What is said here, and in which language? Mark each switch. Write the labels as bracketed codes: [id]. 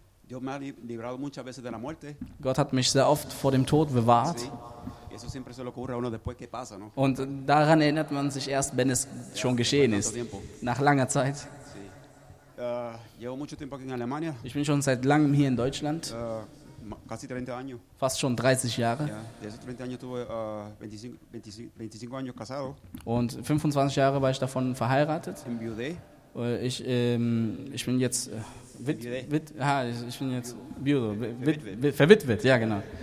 [es] Dios me ha librado muchas veces de la muerte. [de] Gott hat mich sehr oft vor dem Tod bewahrt. [es] Sí. Eso siempre se lo ocurre a uno después que pasa, ¿no? [de] Und daran erinnert man sich erst, wenn es schon geschehen ist, nach langer Zeit. [es] Sí. Llevo mucho tiempo aquí en Alemania. [de] Ich bin schon seit langem hier in Deutschland. [es] casi 30 años. [de] Fast schon 30 Jahre. [es] Ja, desde 30 años tuve 25 años casado. [de] Und 25 Jahre war ich davon verheiratet. [es] Enviudé. [de] Ich bin jetzt verwitwet, ja genau.